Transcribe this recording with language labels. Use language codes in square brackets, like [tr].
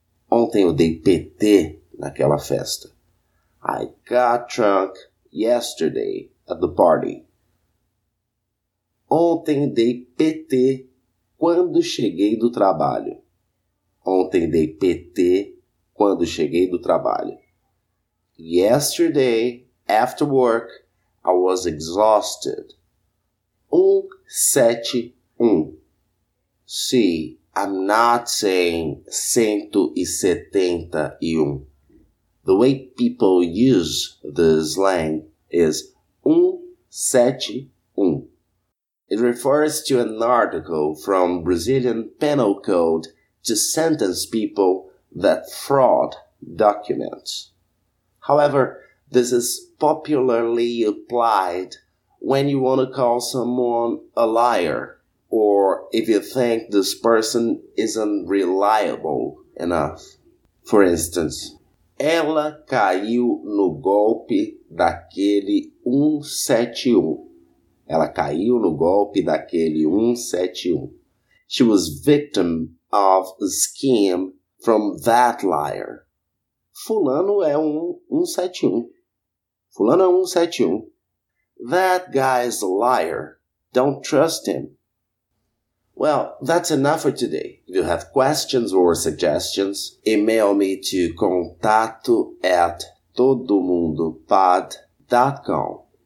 [pt] Ontem eu dei PT naquela festa. [en] I got drunk yesterday at the party. [pt] Ontem dei PT quando cheguei do trabalho. Ontem dei PT quando cheguei do trabalho. [en] Yesterday, after work, I was exhausted. 171. See, I'm not saying 171. The way people use the slang is 171. It refers to an article from Brazilian Penal Code to sentence people that fraud documents. However, this is popularly applied when you want to call someone a liar or if you think this person isn't reliable enough. For instance, [pt] ela caiu no golpe daquele 171. Ela caiu no golpe daquele 171. [en] She was victim of a scheme from that liar. [pt] Fulano é 171. Fulano é 171. [en] That guy is a liar. Don't trust him. Well, that's enough for today. If you have questions or suggestions, email me to contato@todomundopod.com.